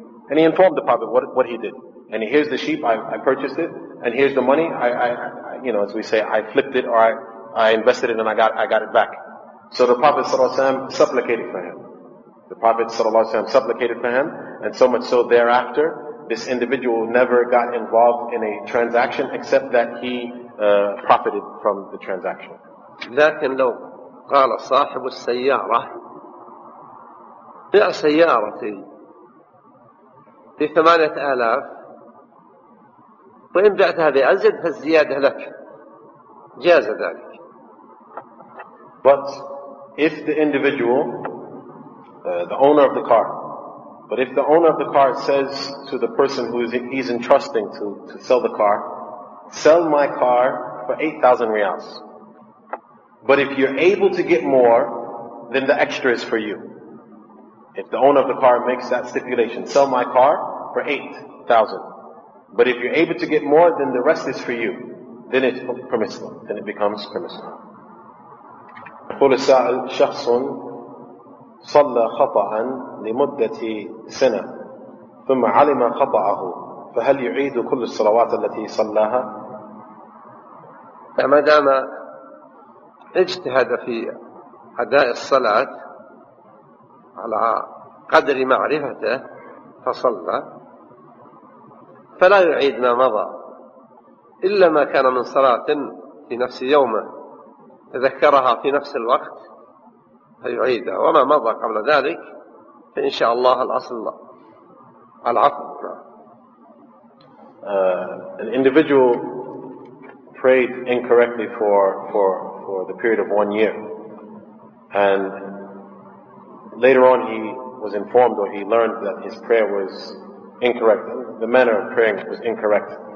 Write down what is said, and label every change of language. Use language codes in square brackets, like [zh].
[en] And he informed the Prophet what he did. And here's the sheep, I purchased it, and here's the money, I flipped it, or I invested it and I got it back. So the Prophet sallallahu alaihi wasallam supplicated for him. The Prophet sallallahu alaihi wasallam supplicated for him, and so much so thereafter, this individual never got involved in a transaction except that he profited from the transaction. [ar] لكن لو قال صاحب السيارة بع سيارتي بثمانية آلاف وإن بعتها بأزيد فالزيادة لك جاز ذلك. [en] But if the individual, the owner of the car, but if the owner of the car says to the person who he's entrusting to sell the car, sell my car for 8,000 riyals. But if you're able to get more, then the extra is for you. If the owner of the car makes that stipulation, sell my car for 8,000. But if you're able to get more, then the rest is for you. Then it's permissible. Then it becomes permissible. [ar] قول السائل شخص صلى خطأ لمدة سنة ثم علم خطأه فهل يعيد كل الصلوات التي صلاها؟ ما دام اجتهد في أداء الصلاة على قدر معرفته فصلى فلا يعيد ما مضى إلا ما كان من صلاة في نفس يومه تذكرها في نفس الوقت فيعيدها وما مضى قبل ذلك فإن شاء الله الأصل العفو. [en] An individual prayed incorrectly for the period of 1 year, and later on he was informed or he learned that his prayer was incorrect, the manner of praying was incorrect.